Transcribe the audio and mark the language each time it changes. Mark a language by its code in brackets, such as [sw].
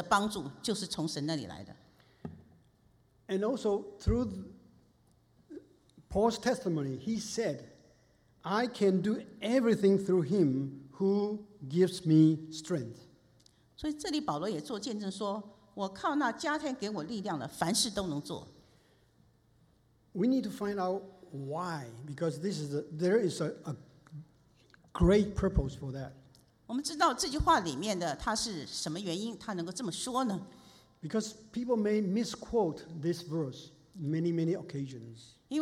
[zh] 所以我们看到在圣经里很多历史中看到很多人他们的确确是完完全全的从神那里得到的力量得到帮助所以他可以公告于世说我的帮助就是从神那里来的。 [en] And also through Paul's testimony, he said, I can do everything through him who gives me strength. [zh] 所以这里保罗也做见证说，我靠那加添给我力量的，凡事都能做。 [en] We need to find out why, because this is there is a great purpose for that. [zh] 我们知道这句话里面的它是什么原因，它能够这么说呢？ [en] Because people may misquote this verse many occasions.